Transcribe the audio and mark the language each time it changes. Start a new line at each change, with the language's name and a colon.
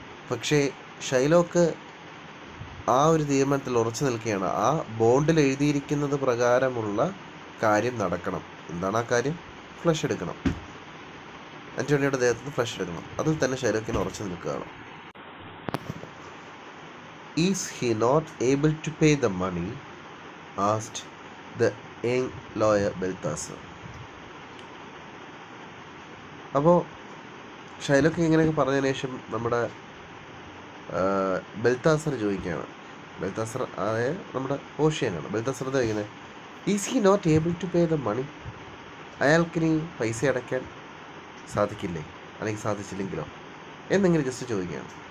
Malayalam: പക്ഷേ ഷൈലോക്ക് ആ ഒരു തീരുമാനത്തിൽ ഉറച്ചു നിൽക്കുകയാണ്. ആ ബോണ്ടിൽ എഴുതിയിരിക്കുന്നത് പ്രകാരമുള്ള കാര്യം നടക്കണം. എന്താണ് ആ കാര്യം? ഫ്ലഷ് എടുക്കണം. അന്റോണിയുടെ ദേഹത്ത് നിന്ന് ഫ്ലഷ് എടുക്കണം. അതിൽ തന്നെ ഷൈലോക്കിന് ഉറച്ചു നിൽക്കുകയാണ്.
English: Is he not able to pay the money? asked the young lawyer Balthasar.
Malayalam: അപ്പോൾ ഷൈലോക്ക് ഇങ്ങനെയൊക്കെ പറഞ്ഞതിന് ശേഷം നമ്മുടെ ബൽതാസർ ചോദിക്കുകയാണ്. ബൽതാസർ അതായത് നമ്മുടെ ഓഷ്യനാണ് ബൽതാസർ ചോദിക്കുന്നത്.
English: is he not able to pay the money,
Malayalam: അയാൾക്കിനി പൈസ അടയ്ക്കാൻ സാധിക്കില്ലേ, അല്ലെങ്കിൽ സാധിച്ചില്ലെങ്കിലോ എന്നിങ്ങനെ ജസ്റ്റ് ചോദിക്കുകയാണ്.